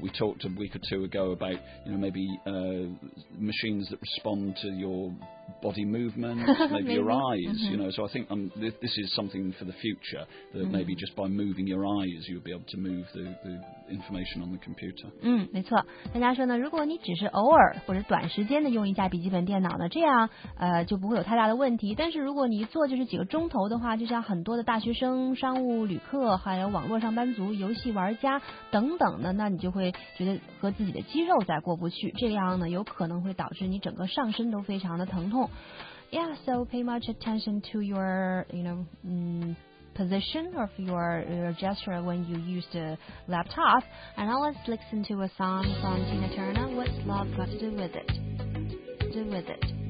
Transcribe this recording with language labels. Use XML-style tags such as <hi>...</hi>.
<en>We talked a week or two ago about, you know, maybe machines that respond to your body movements, maybe your eyes, you know. So I think this is something for the future, that maybe just by moving your eyes, you'll be able to move the information on the computer.</en> <zh>没错。大家说呢，如果你只是偶尔或者短时间的用一架笔记本电脑呢，这样就不会有太大的问题。但是如果你一坐就是几个钟头的话，就像很多的大学生、商务旅客还有网络上班族、游戏玩家等等呢，那你就会觉得和自己的肌肉在过不去，这样呢有可能会导致你整个上身都非常的疼痛。</zh> <en>Yeah, so pay much attention to your, you know, position of your gesture when you use the laptop. And now let's listen to a song from Tina Turner, What's Love Got to Do With It? Do With It.</en>